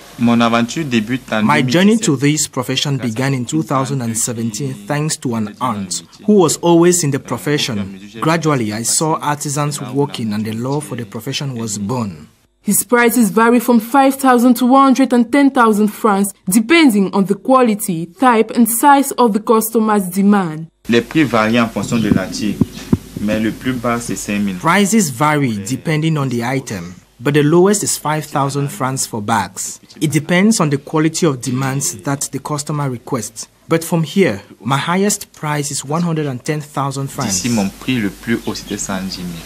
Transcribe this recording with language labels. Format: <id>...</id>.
<en>My journey to this profession began in 2017 thanks to an aunt who was always in the profession. Gradually, I saw artisans working and the love for the profession was born. His prices vary from 5,000 to 110,000 francs, depending on the quality, type, and size of the customer's demand.</en> <fr>Les prix varient en fonction de la tige, mais le plus bas c'est 5,000.</fr> <en>Prices vary depending on the item, but the lowest is 5,000 francs for bags. It depends on the quality of demands that the customer requests. But from here, my highest price is 110,000 francs.</en> <fr>D'ici, mon prix le plus haut c'était 110,000.</fr>